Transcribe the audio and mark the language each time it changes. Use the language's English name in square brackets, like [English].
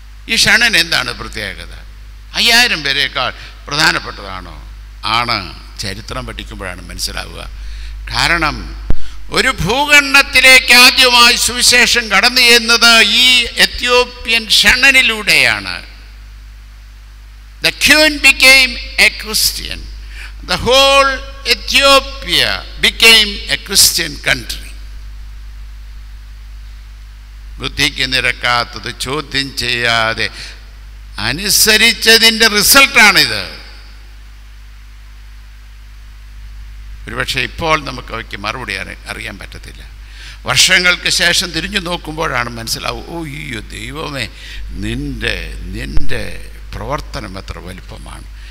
[Malayalam] ഈ ഷണ്ണൻ എന്താണ് പ്രത്യേകത? 5000 പേരേക്കാൾ പ്രധാനപ്പെട്ടതാണോ? ആണ്. ചരിത്രം പഠിക്കുമ്പോഴാണ് മനസ്സിലാവുക. കാരണം ഒരു ഭൂഖണ്ഡത്തിലേക്ക് ആദ്യമായി സുവിശേഷം കടന്നു ചെന്നത് ഈ Ethiopian ഷണ്ണനിലൂടെയാണ്. [English] The Queen became a Christian. The whole Ethiopia became a Christian country. [Malayalam] ബുദ്ധിക്ക് നിരക്കാത്തത് ചോദ്യം ചെയ്യാതെ അനുസരിച്ചതിൻ്റെ റിസൾട്ടാണിത്. ഒരുപക്ഷെ ഇപ്പോൾ നമുക്ക് അവയ്ക്ക് മറുപടി അറിയാൻ പറ്റത്തില്ല. വർഷങ്ങൾക്ക് ശേഷം തിരിഞ്ഞു നോക്കുമ്പോഴാണ് മനസ്സിലാവും, ഓ അയ്യോ ദൈവമേ, നിൻ്റെ പ്രവർത്തനം എത്ര വലുപ്പമാണ്.